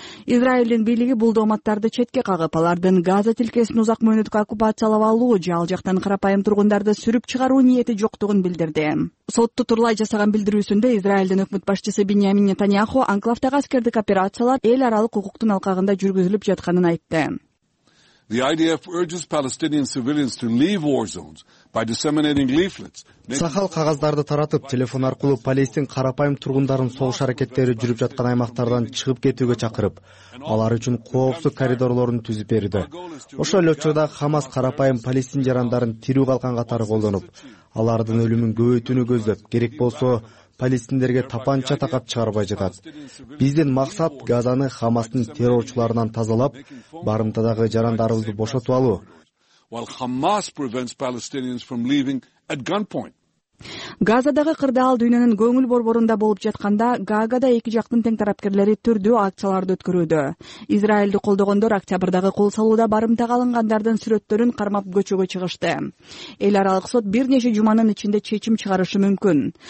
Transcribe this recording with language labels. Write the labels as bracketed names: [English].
[Kyrgyz] Израилдин бийлиги бул дооматтарды четке кагып, алардын Газа тилкесин узак мөөнөткө оккупациялап алуу же ал жактан карапайым тургундарды сүрүп чыгаруу ниети жоктугун билдирди. Сотту турлай жасаган билдирүүсүндө Израилдин өкмөт башчысы Биньямин Нетаньяху анклавдагы аскердик операциялар эл аралык укуктун алкагында жүргүзүлүп жатканын айтты. [English] The IDF urges Palestinian civilians to leave war zones by disseminating leaflets. [Kyrgyz] Сахал кагаздарды таратып, телефон аркылуу Палестин карапайым тургундарын согуш аракеттери жүрүп жаткан аймактардан чыгып кетүүгө чакырып, алар үчүн коопсуз коридорлорун түзүп берди. Ошол эле учурда Хамас карапайым Палестин жарандарын тирүү калкан катары колдонуп, алардын өлүмүн көбөйтүүнү көздөп, керек болсо палестиндерге тапанча такап чыгарбай жатат. Биздин максат Газаны Хамастын террорчуларынан тазалап, барымтадагы жарандарыбызды бошотуп алуу. [English] While Hamas prevents Palestinians from leaving at gunpoint. [Kyrgyz] Газадагы кырдаал дүйнөнүн көңүл борборунда болуп жатканда, Гаагада эки жактын тең тарапкерлери түрдүү акцияларды өткөрүүдө. Израилди колдогондор октябрдагы кол салууда барымтага алынгандардын сүрөттөрүн кармап көчөгө чыгышты. Эл аралык сот бир нече жуманын ичинде чечим чыгарышы мүмкүн.